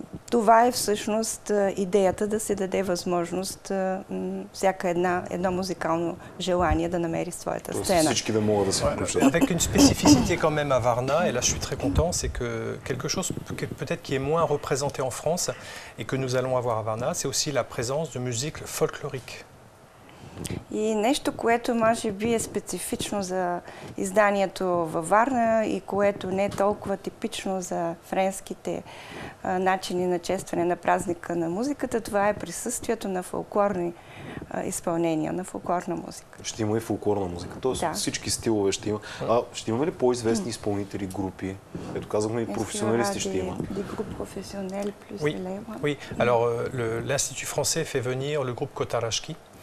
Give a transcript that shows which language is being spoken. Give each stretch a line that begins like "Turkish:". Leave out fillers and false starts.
Bulgarian: Това е всъщност идеята да се даде възможност всяка едно музикално желание да намери своята сцена. Всички да могат да се включат.
French: Avec une spécificité quand même à Varna, et là je suis très content, c'est que quelque chose peut-être qui est moins représenté en France et que nous allons avoir à Varna, c'est aussi la présence de musique folklorique.
Bulgarian: И нещо, което може би е специфично за изданието във Варна и което не е толкова типично за френските начини на честване на празника на музиката, това е присъствието на фолклорни изпълнения, на фолклорна музика. Ще има и фолклорна музика, т.е. да, всички стилове ще има. А ще имаме ли по-известни изпълнители, групи? Ето казахме и професионалисти ще има.
French: Ди груп професионел плюс Oui, alors l'Institut français fait venir le groupe Kotarashki.